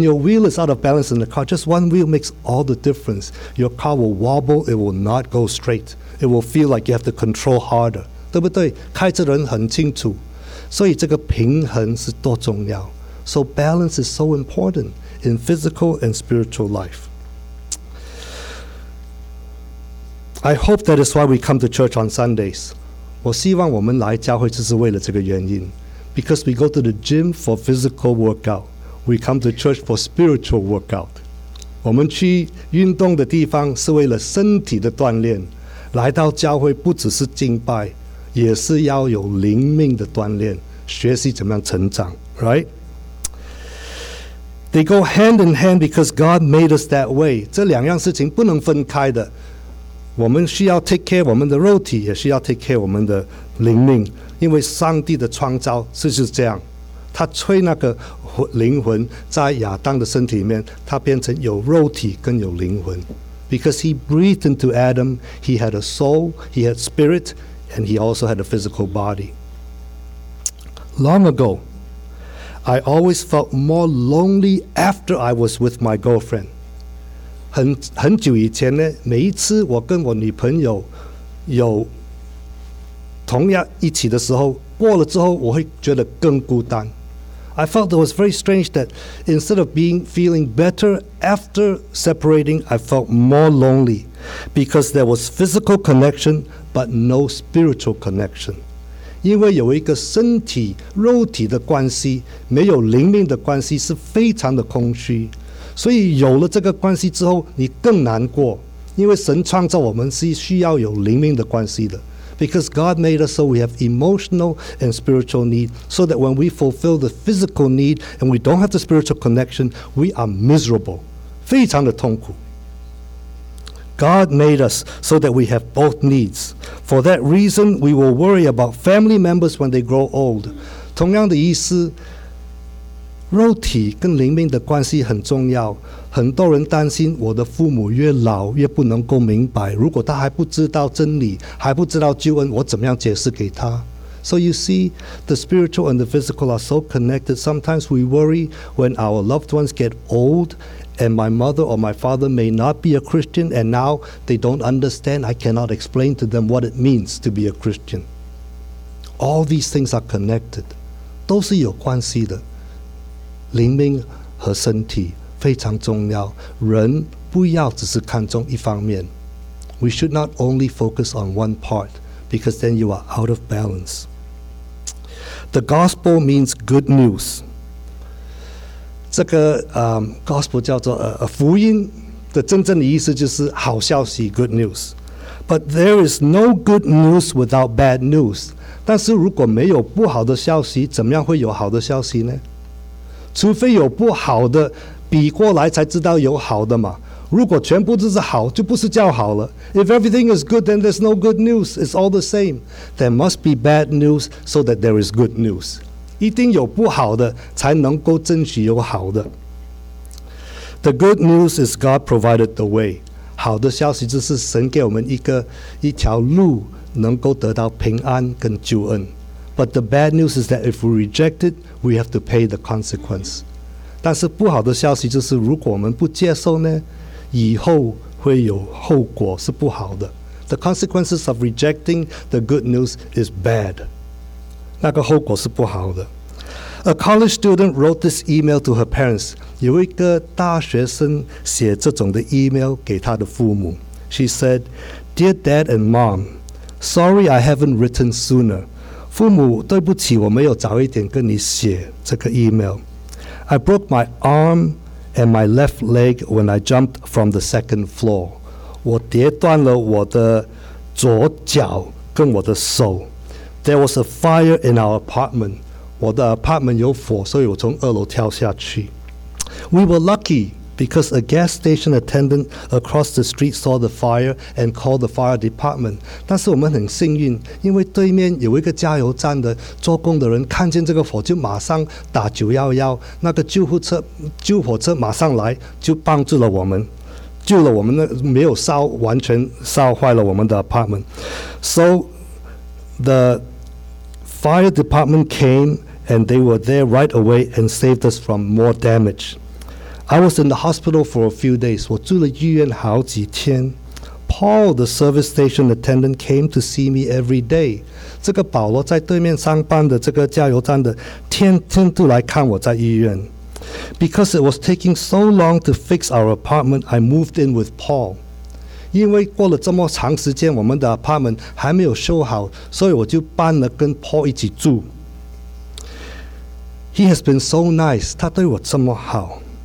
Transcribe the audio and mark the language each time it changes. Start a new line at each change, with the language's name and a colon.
English: your wheel is out of balance in the car, just one wheel makes all the difference. Your car will wobble, it will not go straight. It will feel like you have to control harder.
Chinese: 对不对?开车的人很清楚。所以这个平衡是多重要。
English: So balance is so important. in physical and spiritual life. I hope that is why we come to church on Sundays.
Chinese: 我希望我们来教会就是为了这个原因。
English: Because we go to the gym for physical workout. We come to church for spiritual workout.
Chinese: 我们去运动的地方是为了身体的锻炼。来到教会不只是敬拜，也是要有灵命的锻炼，学习怎么样成长， right?
English: They go hand in hand because God made us that way.
Chinese: 这两样事情不能分开的。我们需要
English: take care
Chinese: 我们的肉体，也需要 take care 我们的灵命，因为上帝的创造是这样，他吹那个灵魂在亚当的身体里面，他变成有肉体跟有灵魂。
English: Because he breathed into Adam, he had a soul, he had spirit, and he also had a physical body. Long ago, I always felt more lonely after I was with my girlfriend.
Chinese: 很久以前呢，每一次我跟我女朋友有同样一起的时候，过了之后我会觉得更孤单。
English: I felt it was very strange that instead of being feeling better after separating, I felt more lonely because there was physical connection but no spiritual connection.
Chinese: 因为有一个身体肉体的关系，没有灵命的关系，是非常的空虚。所以有了这个关系之后，你更难过，因为神创造我们是需要有灵命的关系的。
English: Because God made us so we have emotional and spiritual need, so that when we fulfill the physical need and we don't have the spiritual connection, we are miserable.
Chinese: 非常的痛苦。
English: God made us so that we have both needs. For that reason, we will worry about family members when they grow old.
Chinese: 同样的意思，肉体跟灵命的关系很重要。很多人担心我的父母越老越不能够明白，如果他还不知道真理，还不知道救恩，我怎么样解释给他？
English: So you see, the spiritual and the physical are so connected. Sometimes we worry when our loved ones get old and my mother or my father may not be a Christian and now they don't understand. I cannot explain to them what it means to be a Christian. All these things are connected.
Chinese: 都是有关系的。灵命和身体非常重要，人不要只是看重一方面。
English: We should not only focus on one part, because then you are out of balance. The gospel means good news.
Chinese: 这个gospel 叫做福音的真正的意思就是好消息，
English: good news. But there is no good news without bad news.
Chinese: 但是如果没有不好的消息，怎么样会有好的消息呢？除非有不好的比过来才知道有好的嘛。如果全部都是好，就不是叫好了。 If everything is good, then there's no good news. It's all the same. There must be bad news so that there is good news. 一定有不好的才能够争取有好的。
English: The good news is God provided the way.
Chinese: 好的消息就是神给我们一条路，能够得到平安跟救恩。
English: But the bad news is that if we reject it, we have to pay the consequence.
Chinese: 但是不好的消息就是如果我们不接受呢，以后会有后果是不好的。
English: The consequences of rejecting the good news is bad.
Chinese: 那个后果是不好的。
English: A college student wrote this email to her parents.
Chinese: 有一个大学生写这种的 email 给她的父母。
English: She said, Dear Dad and Mom, sorry I haven't written sooner.
Chinese: 父母，对不起，我没有早一点跟你写这个 email.
English: I broke my arm and my left leg when I jumped from the second floor.
Chinese: 我跌断了我的左脚跟我的手。
English: There was a fire in our apartment.
Chinese: 我的 apartment 有火，所以我从二楼跳下去。
English: We were lucky because a gas station attendant across the street saw the fire and called the fire department.
Chinese: 但是我们很幸运，因为对面有一个加油站的做工的人看见这个火就马上打911，那个救火车马上来就帮助了我们，救了我们，那没有烧，完全烧坏了我们的 apartment.
English: So the fire department came and they were there right away and saved us from more damage. I was in the hospital for a few days.
Chinese: 我住了医院好几天。
English: Paul, the service station attendant, came to see me every day.
Chinese: 这个保罗在对面上班的这个加油站的天天都来看我在医院。
English: Because it was taking so long to fix our apartment, I moved in with Paul.
Chinese: 因为过了这么长时间，我们的apartment还没有修好，所以我就搬了跟Paul一起住。
English: He has been so nice,
Chinese: 他对我这么好。